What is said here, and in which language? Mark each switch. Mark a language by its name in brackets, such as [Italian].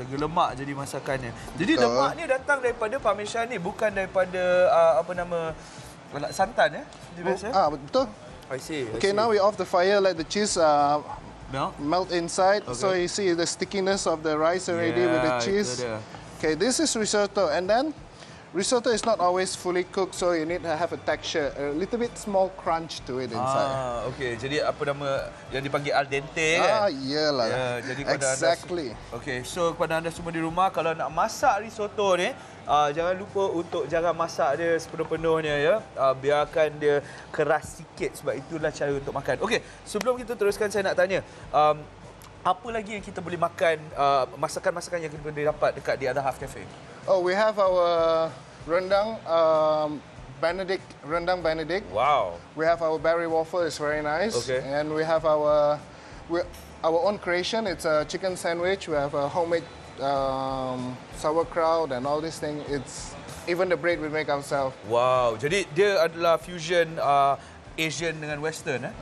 [Malay] Lagi lemak jadi masakannya. Jadi lemak ni datang daripada parmesan ni, bukan daripada santan, ya? Biasa. Ah, betul. [English] I see. Okay, now we off the fire, let the cheese melt inside. Okay. So you see the stickiness of the rice already with the cheese. Okay, this is risotto, and then risotto is not always fully cooked, so you need to have a texture, a little bit small crunch to it inside. Ah, okay. [Malay] Jadi apa nama yang dipanggil al dente? [English] Exactly. [Malay] Okay, so kepada anda semua di rumah, kalau nak masak risotto ni, jangan lupa untuk jangan masak dia sepenuh-penuhnya, ya. Biarkan dia keras sikit sebab itulah cara untuk makan. Okay, sebelum kita teruskan, saya nak tanya. Apa lagi yang kita boleh makan, masakan-masakan yang kita boleh dapat dekat The Other Half Cafe? [English] Oh, we have our rendang, Benedict, rendang Benedict. Wow. We have our berry waffle, it's very nice. Okay. And we have our own creation, it's a chicken sandwich. We have a homemade sauerkraut and all these things. It's even the bread we make ourselves. [Malay] Wow, jadi dia adalah fusion Asian dengan Western, eh?